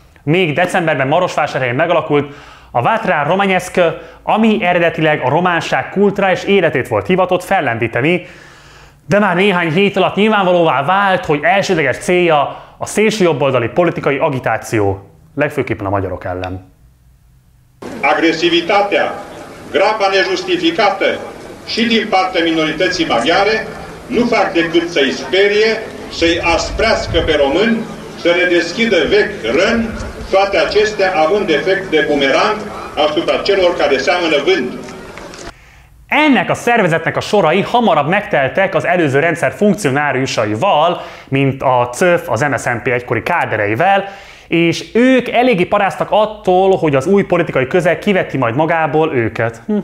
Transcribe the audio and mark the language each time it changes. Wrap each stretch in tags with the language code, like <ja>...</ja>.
<hu>Még decemberben Marosvásárhelyen megalakult a Vatra Romanesque, ami eredetileg a románság kulturális életét volt hivatott fellendíteni, de már néhány hét alatt nyilvánvalóvá vált, hogy elsődleges célja a szélsőjobboldali politikai agitáció, legfőképpen a magyarok ellen.</hu> <ro>Agresivitatea, grapa nejustificată și din partea minorității maghiare nu fac decât să-i sperie, să-i asprească pe români, să le deschidă vechi răni, toate acestea având efect de bumerang asupra celor care seamănă vânt.</ro> <hu>Ennek a szervezetnek a sorai hamarabb megteltek az előző rendszer funkcionáriusaival, mint a CÖF, az MSZNP egykori kádereivel, és ők eléggé paráztak attól, hogy az új politikai közeg kiveti majd magából őket.</hu>